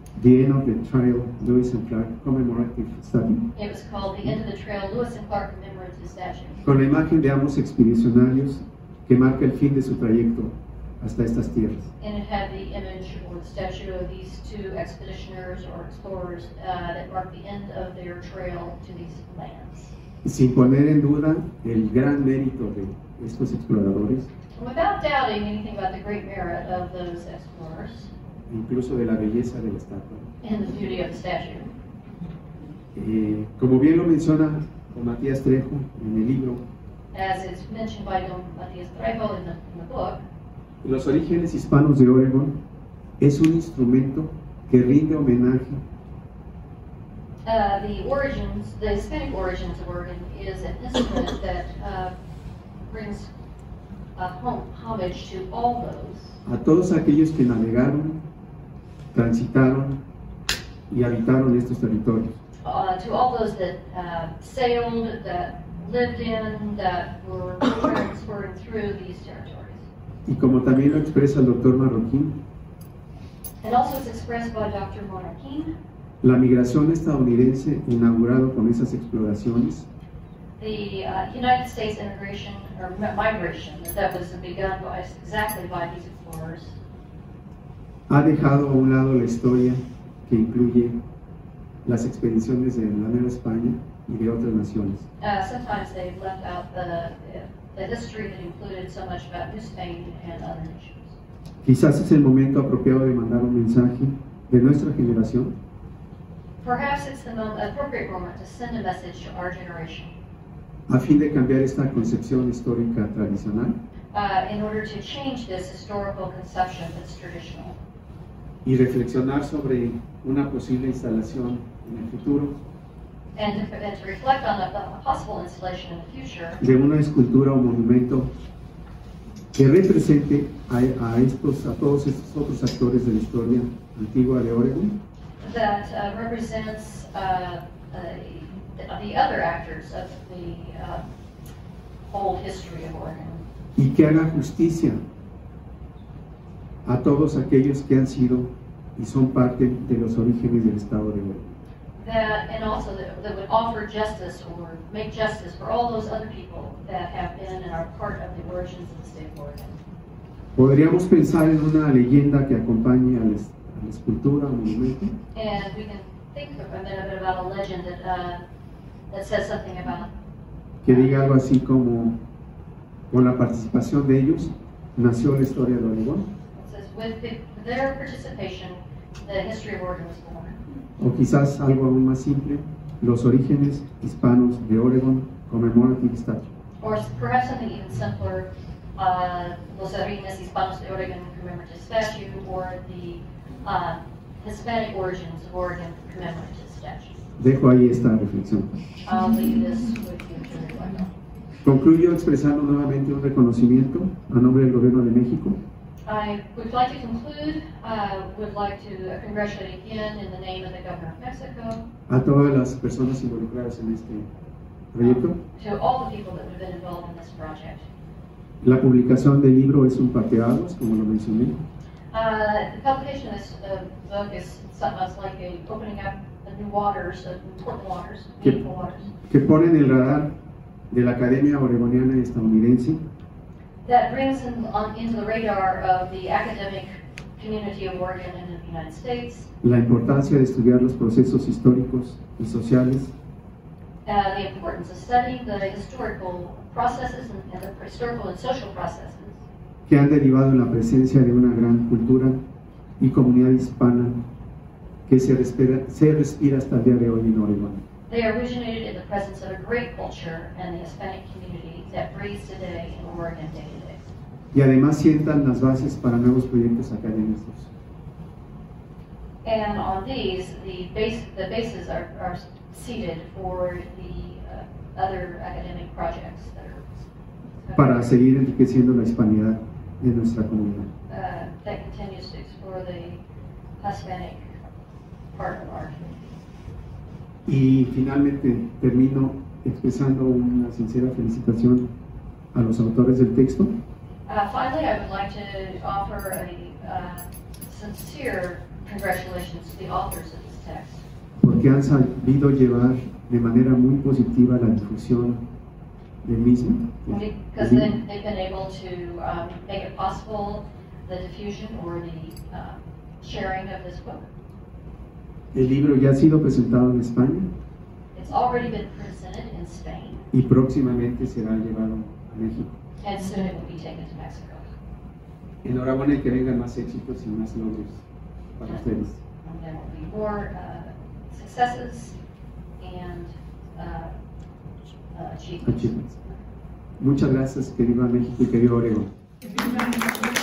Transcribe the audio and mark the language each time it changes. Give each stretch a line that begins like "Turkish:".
English: The End of the Trail, Lewis and Clark Commemorative Statue. It was called The End of the Trail, Lewis and Clark Commemorative Statue.
Spanish: Con la imagen de ambos expedicionarios que marca el fin de su trayecto hasta estas tierras.
English: And it had the image or the statue of these two expeditioners or explorers that marked the end of their trail to these lands.
Spanish: Sin poner en duda el gran mérito de estos exploradores.
English: Without doubting anything about the great merit of those explorers.
Spanish: Incluso de la belleza de la estatua.
English: And the beauty of the statue.
Spanish: Como bien lo menciona Matías Trejo en el libro.
English: As it's mentioned by Don Matías Trejo in the book.
Spanish: Los orígenes hispanos de Oregón es un instrumento que rinde homenaje.
English: The origins, the Hispanic origins of Oregon is an instrument that brings homage to all those.
Spanish: A todos aquellos que navegaron, transitaron y habitaron estos territorios.
English: To all those that sailed, that lived in, that were transferred through these territories.
Spanish: Y como también lo expresa el doctor Marroquín,
English: and also it's expressed by Dr. Marroquín,
Spanish: la migración estadounidense inaugurado con esas exploraciones,
English: the United States immigration or migration that was begun by, exactly by these explorers,
Spanish: ha dejado a un lado la historia que incluye las expediciones de la Nueva España y de otras naciones.
English: Sometimes they've left out the history that included so much about New Spain and other nations.
Spanish: Quizás es el momento apropiado de mandar un mensaje de nuestra generación.
English: Perhaps it's the appropriate moment to send a message to our generation.
Spanish: A fin de cambiar esta concepción histórica tradicional.
English: In order to change this historical conception that's traditional.
Spanish: Y reflexionar sobre una posible instalación en el futuro.
English: And to reflect on the possible installation in the future.
Spanish: De una escultura o monumento que represente a todos estos otros actores de la historia antigua de Oregón.
English: That represents the other actors of the whole history of Oregon.
Spanish: Y que haga justicia a todos aquellos que han sido y son parte de los orígenes del estado de Oregón.
English: That would offer justice or make justice for all those other people that have been and are part of the origins of the state of Oregon.
Spanish: Podríamos pensar en una leyenda que acompañe a la escultura, al monumento.
English: And we can think of a bit about a legend that says something about.
Spanish: Que diga algo así como, con la participación de ellos, nació la historia de Oregón.
English: It says, with their participation, the history of Oregon was born.
Spanish: O quizás algo aún más simple, los orígenes hispanos de Oregón,
English: commemorative statue. Or perhaps something even simpler,
Spanish: los orígenes hispanos de Oregón,
English: commemorative statue, or the Hispanic origins of Oregon, commemorative statue.
Spanish: Dejo ahí esta reflexión.
English: I'll leave this with you to reflect.
Spanish: Concluyo expresando nuevamente un reconocimiento a nombre del gobierno de México.
English: I would like to conclude, would like to congratulate again in the name of the Governor of Mexico.
Spanish: A todas las personas involucradas en este proyecto.
English: To all the people that have been involved in this project.
Spanish: La publicación del libro es un parteaguas, como lo mencioné.
English: The publication of this book is something like a opening up the new waters, the important waters, meaningful waters.
Spanish: Que pone en el radar de la Academia Oregoniana y Estadounidense.
English: That brings into the radar of the academic community of Oregon and of the United States.
Spanish: La importancia de estudiar los procesos históricos y sociales.
English: The importance of studying the historical processes and the historical and social processes.
Spanish: Que han derivado en la presencia de una gran cultura y comunidad hispana que se respira hasta el día de hoy en Oregon.
English: They originated in the presence of a great culture and the Hispanic community that breathes today in Oregon day to day.
Spanish: Y además sientan las bases para nuevos proyectos académicos.
English: And on these, the bases are seated for the other academic projects that are.
Spanish: Para seguir enriqueciendo la hispanidad de nuestra comunidad.
English: That continues to explore the Hispanic part of our community.
Spanish: Y finalmente termino expresando una sincera felicitación a los autores del texto.
English: Finally, I would like to offer a sincere congratulations to the authors of this text.
Spanish: Porque han sabido llevar de manera muy positiva la difusión del mismo.
English: Because they've been able to make it possible the diffusion or the sharing of this book.
Spanish: El libro ya ha sido presentado en España.
English: It's already been presented in Spain.
Spanish: Y próximamente será llevado a México.
English: And soon it will be taken to Mexico.
Spanish: Enhorabuena y que vengan más éxitos y más logros para ustedes.
English: And there will be more successes and achievements.
Spanish: Muchas gracias, que viva México y que viva Oregón.